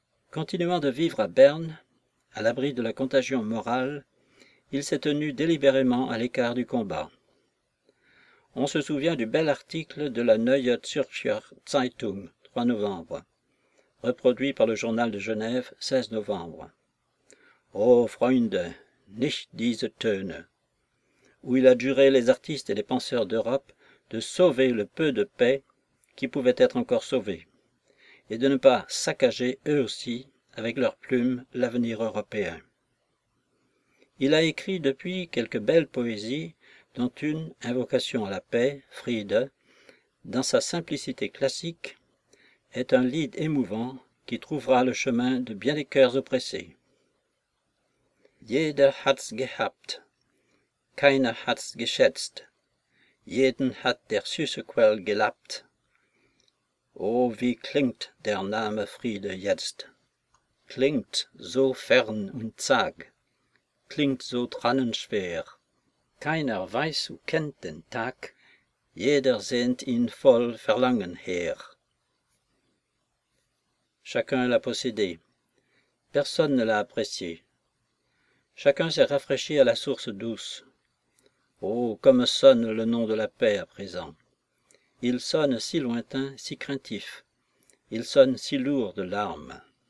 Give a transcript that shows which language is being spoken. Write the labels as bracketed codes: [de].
[fr] Continuant de vivre à Berne, à l'abri de la contagion morale, il s'est tenu délibérément à l'écart du combat. On se souvient du bel article de la Neue Zürcher Zeitung, 3 novembre, reproduit par le journal de Genève, 16 novembre. [de] « Oh, Freunde, nicht diese Töne !» [fr] où il a juré les artistes et les penseurs d'Europe de sauver le peu de paix qui pouvait être encore sauvé, et de ne pas saccager, eux aussi, avec leurs plumes, l'avenir européen. Il a écrit depuis quelques belles poésies, dont une « Invocation à la paix », Friede, dans sa simplicité classique, est un lied émouvant qui trouvera le chemin de bien des cœurs oppressés. [de] Jeder hat's gehabt, keiner hat's geschätzt, jeden hat der Süßequell gelappt. Oh, wie klingt der Name Friede jetzt, klingt so fern und zag, klingt so trannenschwer. Keiner weiß und kennt den Tag, jeder sehnt ihn voll Verlangen her. [fr] Chacun l'a possédé, personne ne l'a apprécié. Chacun s'est rafraîchi à la source douce. Oh, comme sonne le nom de la paix à présent. Il sonne si lointain, si craintif. Il sonne si lourd de larmes.